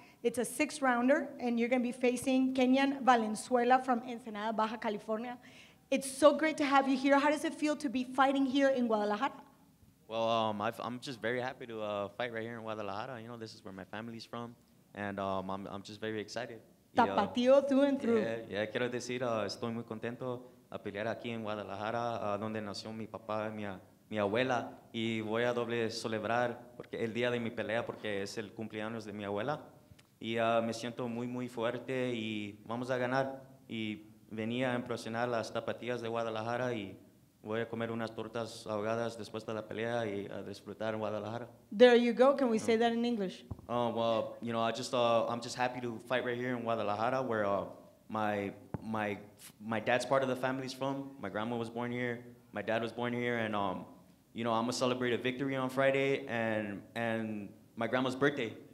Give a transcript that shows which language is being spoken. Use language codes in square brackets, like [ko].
[en] It's a six-rounder, and you're going to be facing Kenyan Valenzuela from Ensenada, Baja California. It's so great to have you here. How does it feel to be fighting here in Guadalajara? Well, I'm just very happy to fight right here in Guadalajara. You know, this is where my family's from, and I'm just very excited. Tapatío through and through. [es] Yeah, quiero decir, estoy muy contento a pelear aquí en Guadalajara, donde nació mi papá y mi abuela, y voy a doble celebrar porque el día de mi pelea porque es el cumpleaños de mi abuela. Y me siento muy, muy fuerte y vamos a ganar. Y venía a impresionar las tapatías de Guadalajara y voy a comer unas tortas ahogadas después de la pelea y a disfrutar en Guadalajara. [en] There you go. Can we say that in English? Well, you know, I'm just happy to fight right here in Guadalajara where my dad's part of the family's from. My grandma was born here. My dad was born here. And, you know, I'm going to celebrate a victory on Friday and my grandma's birthday.